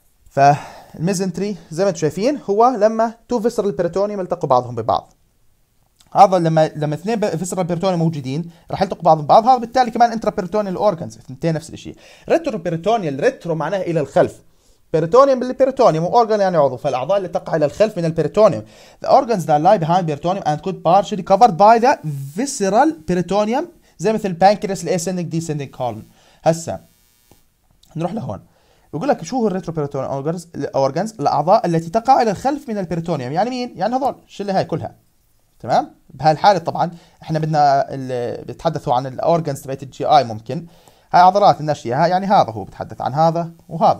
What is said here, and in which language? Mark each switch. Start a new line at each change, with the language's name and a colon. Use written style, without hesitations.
Arabic: فالميزنتري زي ما انتم شايفين هو لما تو فيسرال بيريتونيوم يلتقوا بعضهم ببعض. هذا لما اثنين فيسرال بيريتونيوم موجودين راح يلتقوا بعضهم ببعض. هذا بالتالي كمان انترا بيريتونيال اورجانز اثنتين نفس الشيء. ريترو بيريتونيال، ريترو معناها الى الخلف، بيريتونيوم بالبيريتونيوم اورجان يعني عضو، فالاعضاء اللي تقع الى الخلف من البيريتونيوم.
English: The organs that lie behind peritoneum and could partially covered by the visceral peritoneum
Arabic: زي مثل البانكرياس الاسندنج ديسندنج كولون. هسه نروح لهون بيقول لك شو هو الريترو بيريتونيوم اورجانز؟ الاورجانز الاعضاء التي تقع الى الخلف من البيريتونيوم. يعني مين؟ يعني هذول الشله هاي كلها تمام. بهالحاله طبعا احنا بدنا بيتحدثوا عن الاورجانز تبعت الجي اي، ممكن هاي عضلات الناشئه، يعني هذا هو بتحدث عن هذا وهذا.